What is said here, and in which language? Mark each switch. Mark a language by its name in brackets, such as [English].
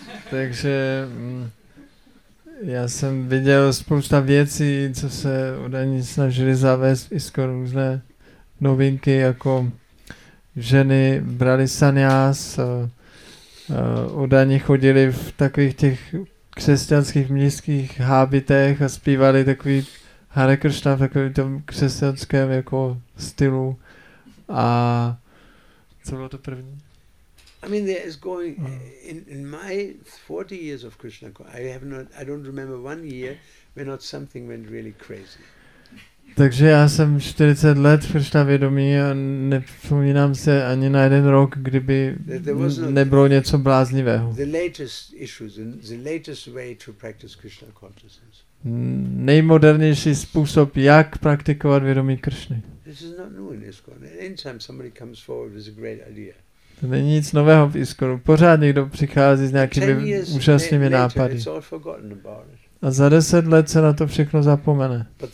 [Czech] Takže já jsem viděl spousta věcí, co se údajně snažili zavést, i skoro různé novinky, jako ženy brali sanjas, údajně chodili v takových těch křesťanských městských hábitech a zpívali takový Hare Krishna v takovém tom křesťanském jako stylu. A co bylo to první? [English] I mean, there is going in my 40 years of Krishna. I don't remember one year when not something went really crazy. [Czech] Takže já jsem 40 let Krishna vědomí a nepomínám se ani na jeden rok, kdyby nebylo něco bláznivého. [English] The latest issues, the latest way to practice Krishna consciousness. [Czech] Nejmodernější způsob, jak praktikovat vědomí Krishny. [English] This is not new in ISKCON. Anytime somebody comes forward with a great idea. [Czech] To není nic nového v ISKCONu. Pořád někdo přichází s nějakými úžasnými nápady. A za 10 let se na to všechno zapomene.